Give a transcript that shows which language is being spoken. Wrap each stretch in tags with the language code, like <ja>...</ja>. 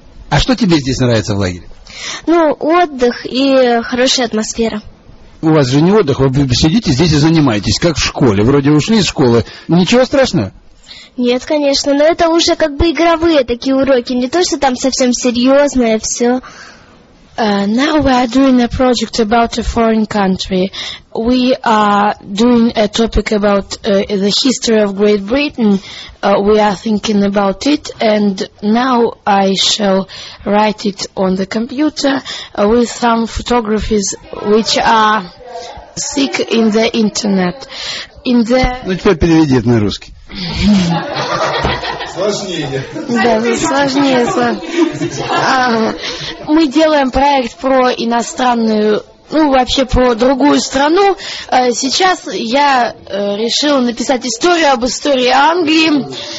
<ru>А что тебе здесь нравится в лагере? Ну, отдых и хорошая атмосфера. У вас же не отдых, вы сидите здесь и занимаетесь, как в школе. Вроде ушли из школы. Ничего страшного? Нет, конечно, но это уже как бы игровые такие уроки, не то, что там совсем серьезное все.</ru> <en>Now we are doing a project about a foreign country. We are doing a topic about the history of Great Britain. We are thinking about it, and now I shall write it on the computer with some photographs which are seek in the internet. In the...</en> <ru>Ну, теперь переведи это на русский. Сложнее. Да, сложнее. Мы делаем проект про иностранную, ну, вообще про другую страну. Сейчас я решила написать историю об истории Англии.</ru>